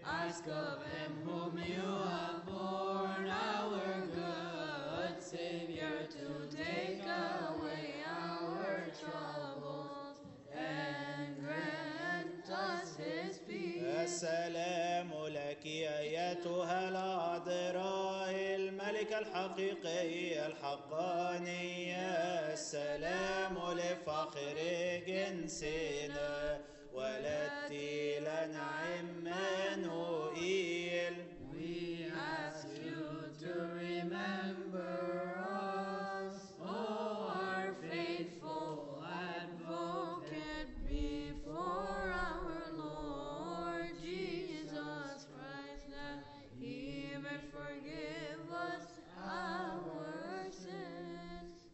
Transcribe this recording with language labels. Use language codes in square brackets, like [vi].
[en] Ask of him whom you have born, our good Savior, to take away our troubles and grant us his peace. [ar] السلام لك أيتها العذراء الملك الحقيقي الحقاني. السلام لفخر جنسنا والتي لنا عمانوئيل. [en] We ask you to remember us, O our faithful advocate before our Lord Jesus Christ, that he may forgive us our sins.